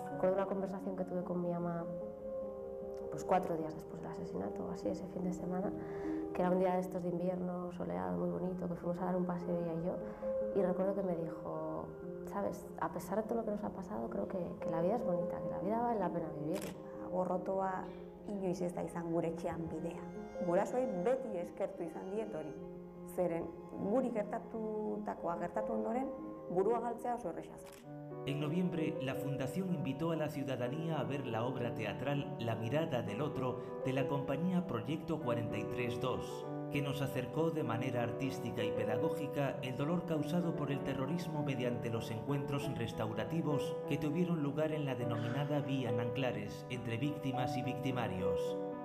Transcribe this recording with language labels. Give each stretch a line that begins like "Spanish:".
Spanish: Recuerdo una conversación que tuve con mi ama pues 4 días después del asesinato, o así, ese fin de semana, que era un día de estos de invierno, soleado, muy bonito, que fuimos a dar un paseo ella y yo, y recuerdo que me dijo, ¿sabes? A pesar de todo lo que nos ha pasado, creo que la vida es bonita, que la vida vale la pena vivir.
Basque: Gorrotoa inoiz ez da izan gure etxean bidea. Gurasoei beti eskertu izan diet hori. Zeren guri gertatutakoa gertatu ondoren, burua galtzea oso erresa da.
Spanish: En noviembre, la Fundación invitó a la ciudadanía a ver la obra teatral La mirada del otro, de la compañía Proyecto 43-2, que nos acercó de manera artística y pedagógica el dolor causado por el terrorismo mediante los encuentros restaurativos que tuvieron lugar en la denominada Vía Nanclares, entre víctimas y victimarios.